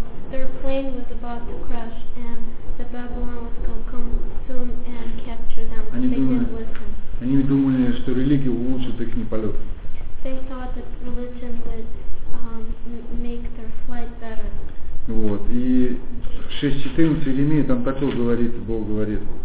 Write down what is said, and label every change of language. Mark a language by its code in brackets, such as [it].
[en] Their plane was about to crash, and the Babylon was going to come soon and capture them. [ru] Они [en] they [ru] думали, [en] didn't listen. [ru] Они думали, что религия улучшит их не полет. [en] They thought that religion would make their flight better. [ru] Вот. И 6:14 Иеремия там такое говорит, Бог говорит.